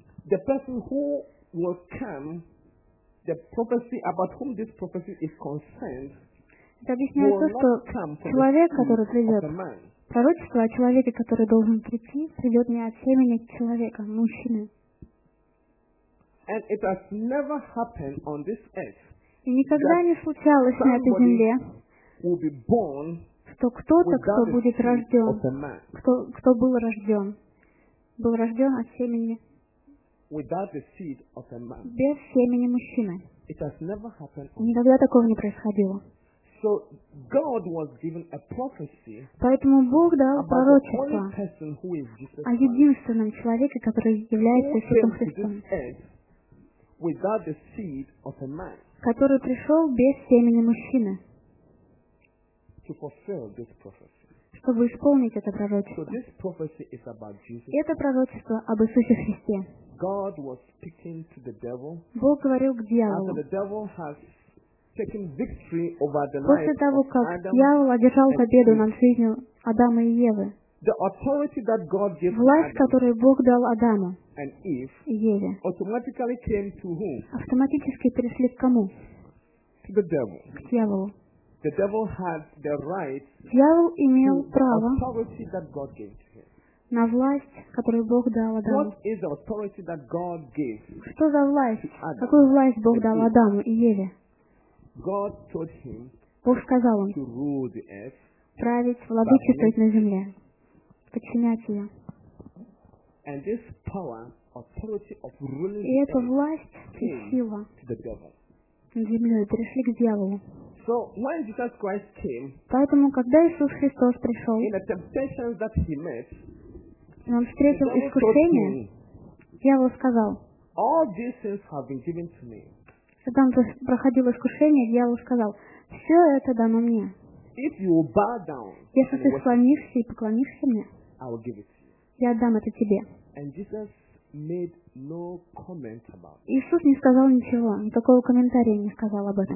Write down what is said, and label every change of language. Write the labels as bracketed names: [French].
[English] The person who will come, the prophecy about whom this prophecy is concerned. [Russian] Это объясняет то, что человек, который придет. Пророчество о человеке, который должен прийти, придет не от семени человека, мужчины. [English] And it has never happened on this earth, [Russian] и никогда не случалось на этой земле, что кто-то, кто будет рожден, кто был рожден от семени, [English] without the seed of a man. [Russian] Без семени мужчины. [English] It has never happened [Russian] on никогда такого не происходило. [English] So God was given a prophecy. [Russian] Поэтому Бог дал пророчество [English] person, who is Jesus [Russian] о единственном человеке, который является Иисусом Христом, [English] without the seed of a man, [Russian] который пришел без семени мужчины, [English] to fulfill this prophecy. [Russian] Чтобы исполнить это пророчество. [English] So this prophecy is about Jesus. [Russian] Это пророчество об Иисусе Христе. [English] God was speaking to the devil, [Russian] Бог говорил к дьяволу. [English] After the devil has taking victory over the [Russian] после того, как дьявол одержал победу над жизнью Адама и Евы, [English] the authority that God gave [Russian] власть, Adam, которую Бог дал Адаму [English] and Eve, [Russian] и Еве, [English] automatically came to whom? [Russian] Автоматически перешли к кому? [English] To the devil. [Russian] К дьяволу. [English] The devil had the right [Russian] дьявол имел [English] to [Russian] право [English] the authority that God gave to him. [Russian] На власть, которую Бог дал Адаму. [English] What is the authority that God gave [Russian] что за власть? Adam, какую власть Бог дал Адаму и Еве? [English] God told him [Russian] Бог сказал им [English] to rule the earth, [Russian] править, владычествовать на земле, подчинять ее. [English] And this power, authority of ruling [Russian] и эта власть и сила над землей перешли к дьяволу. [English] So when Jesus Christ came, [Russian] поэтому, когда Иисус Христос пришел, [English] in the temptations that he met, [Russian] и он встретил искушение, дьявол сказал, [English] all these things have been given to me. [Russian] Когда он проходил искушение, дьявол сказал, «Все это дано мне». [English] If you bow down, [Russian] если ты склонишься и поклонишься мне, [English] I will give it to you. [Russian] Я отдам это тебе. [English] And Jesus made no comment about it. [Russian] Иисус не сказал ничего, никакого комментария не сказал об этом.